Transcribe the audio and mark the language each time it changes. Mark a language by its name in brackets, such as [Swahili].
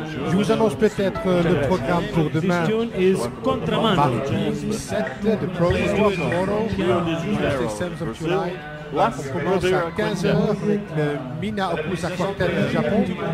[French] Je vous annonce peut-être le programme pour demain. [English] This tune is Contramano. Paris 17, the program for tomorrow, the 6th of July. [French] On commence à 15h avec le Mina Opus Aquartel du Japon.